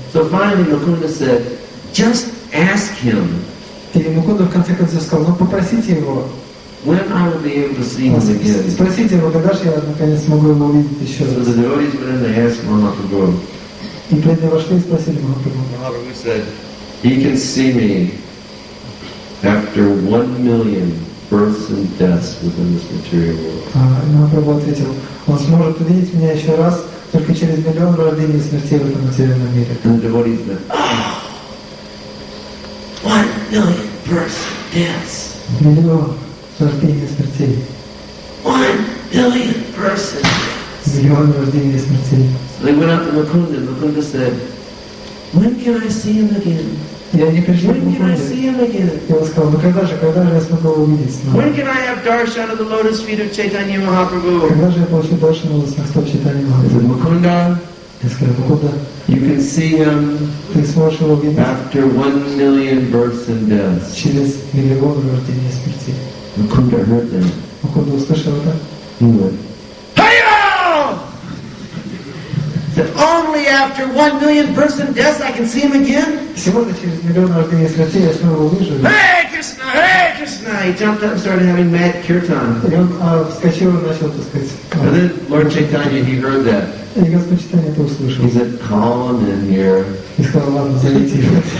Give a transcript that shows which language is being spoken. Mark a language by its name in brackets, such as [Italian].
[English] So finally Mukunda said, just ask him. [Russian] И Мукунда в конце концов сказал, ну попросите его. [English] When I will be able to see him again. [Russian] Спросите его, когда же я наконец смогу его увидеть еще раз. [English] So the devotees went in and asked Mahaprabhu. [Russian] И преданные вошли и спросили Махапрабху. [English] Mahaprabhu said, he can see me after 1,000,000 births and deaths within this material world. [Russian] Махапрабху ответил, он сможет увидеть меня еще раз. Только через миллион рождений и смертей в этом материальном мире. [English] And the devotee said, oh, 1,000,000 births and deaths. [Russian] Миллион рождений и смертей. [English] 1,000,000 births and deaths. [Russian] Миллион рождений и смертей. [English] So they went out to Mukunda. Mukunda said, when can I see him again? [Russian] И он сказал, ну когда же я смогу его увидеть снова? [English] When can I have darshan of the lotus feet of Chaitanya Mahaprabhu? [Russian] Когда же я получу даршан лотос на стоп Чайтаньи Махапрабху? [English] Is it Mukunda? [Russian] Я сказал, Mukunda. [English] You can see him. [Russian] Ты сможешь его увидеть. [English] After 1,000,000 births and deaths. [Russian] Через миллион рождений и смерти. [English] Mukunda heard that. [Russian] Mukunda услышал это? [English] He went. That only after 1,000,000 births and deaths I can see him again? [Russian] Сегодня через миллион рождений и смертей я снова увижу. [English] Hey Krishna! He jumped up and started having mad kirtan. [Russian] И он вскочил и начал, так сказать. [English] And then Lord Chaitanya, he heard that. [Russian] И Господь Читания это услышал. [English] He said, call him in here. [Russian] И сказал, ладно, зовите его.